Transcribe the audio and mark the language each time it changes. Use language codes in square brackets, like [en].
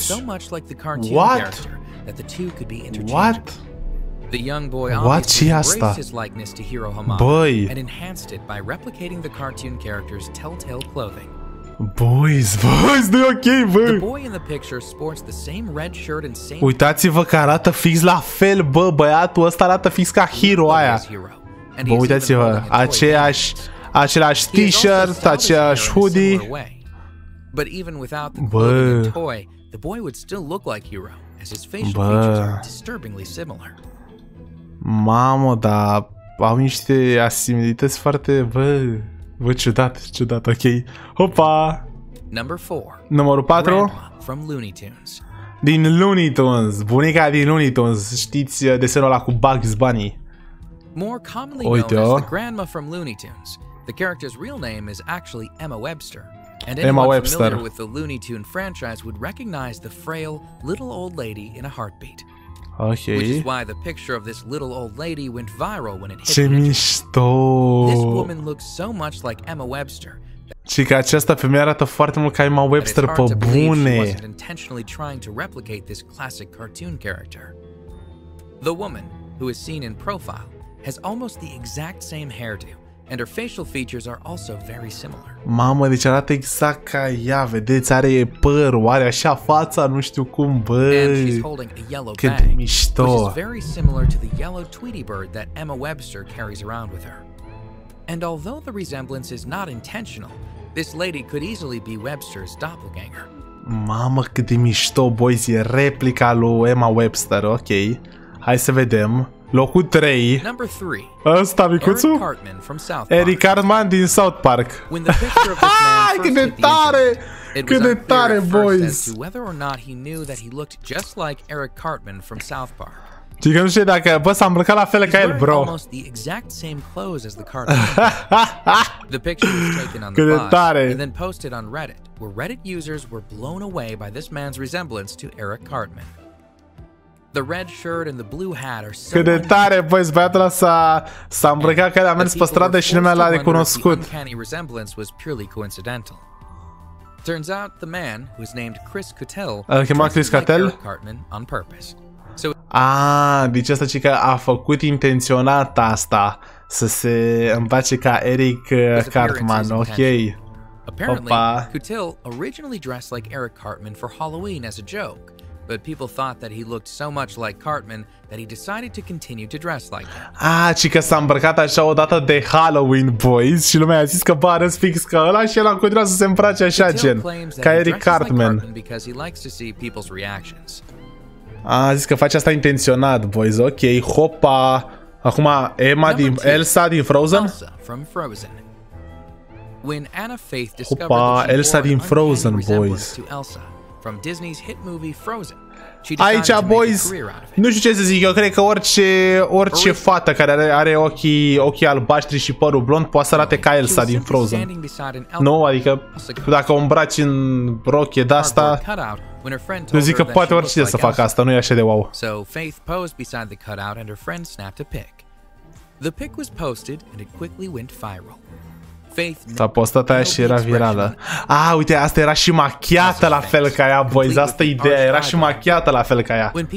[en] So much like the cartoon character that the two could be interchanged. The young boy obviously embraced his likeness to Hiro Hamada. Boy. And enhanced it by replicating the cartoon character's telltale clothing. [ro] Boys, nu-i ok, bă. [en] The boy in the picture sports the same red shirt and same. [ro] Uitați-vă că arată fix la fel, bă, băiatul ăsta arată fix ca Hiro aia. Bă, uitați-vă, același t-shirt, același hoodie. [en] But even without the clothing toy, the boy would still look like Hiro, as his facial features are disturbingly similar. [ro] Mamă, da, au niște asimilități foarte, bă. Bă, ciudat, ok. Hopa! Numărul 4. [en] From Looney Tunes. [ro] Din Looney Tunes. Bunica din Looney Tunes. Știți desenul ăla cu Bugs Bunny. [en] More commonly known as the grandma from Looney Tunes. The character's real name is actually Emma Webster. And anyone Emma Webster. Familiar with the Looney Tune franchise would recognize the frail little old lady in a heartbeat. Okay. Which is why the picture of this little old lady went viral when it hit. [ro] Ce mișto. [en] This woman looks so much like Emma Webster. [ro] Și că această femeie arată foarte mult ca Emma Webster, pe bune. [en] She wasn't intentionally trying to replicate this classic cartoon character. The woman who is seen in profile has almost the exact same hairdo, and her facial features are also very similar. [ro] Mamă, deci arată exact ca ea, vedeți, are părul, are așa fața, nu știu cum, bă. [en] And she's holding a yellow bag, which is very similar to the yellow Tweety Bird that Emma Webster carries around with her. And although the resemblance is not intentional, this lady could easily be Webster's doppelganger. [ro] Mamă, cât de mișto, boys, e replica lui Emma Webster, ok. Hai să vedem. Locul 3. [en] Number [ro] 3. Ăsta, micuțu? [en] Eric Cartman from South Park. [ro] Eric Cartman din South Park. [en] When the picture of this man [ro] cât de tare! Cât de tare, boys! [en] As to whether or not he knew that he looked just like Eric Cartman from South Park. [ro] Știi că nu știu dacă, bă, s-a îmbrăcat la fel ca el, bro. [en] Almost the exact same clothes as the cartoon. The picture was taken on the bus and then posted on Reddit, where Reddit users were blown away by this man's resemblance to Eric Cartman. The red shirt and the blue hat are so. [ro] Cât de tare, boys, băiatul ăsta s-a îmbrăcat că a mers pe stradă și nimeni l-a recunoscut. [en] The uncanny resemblance was purely coincidental. Turns out the man, who's named Chris Cattell, Cartman on purpose. So [ro] deci asta ce că a făcut intenționat asta, să se îmbace ca Eric Cartman, ok. [en] A Apparently, Kutil originally dressed like Eric Cartman for Halloween as a joke, but people thought that he looked so much like Cartman that he decided to continue to dress like him. [ro] Ah, și că s-a îmbrăcat așa o dată de Halloween, boys, și lumea a zis că bă, arăți fix ca ăla și el a continuat să se îmbrace așa, Kutil, gen, ca Eric Cartman. [en] Like Cartman because he likes to see people's reactions. [ro] Ah, zis că face asta intenționat, boys, ok, hopa. Acum, Emma din, Elsa din Frozen? [en] Elsa from Frozen. When Anna Faith discovered [ro] Elsa din Frozen, boys. [en] Elsa from Disney's hit movie Frozen. [ro] Aici, boys, nu știu ce să zic. Eu cred că orice fată care are ochii albaștri și părul blond poate să arate ca Elsa din Frozen. Nu, adică dacă o îmbraci în rochie de asta, eu zic că poate oricine să facă asta, nu e așa de wow. [en] So Faith posed beside the cutout and her friend snapped a pic. The pic was posted and it quickly went viral. [ro] S-a postat aia și era virală. Ah, uite, asta era și machiată la fel ca ea, boys. Asta e ideea, era și machiată la fel ca ea.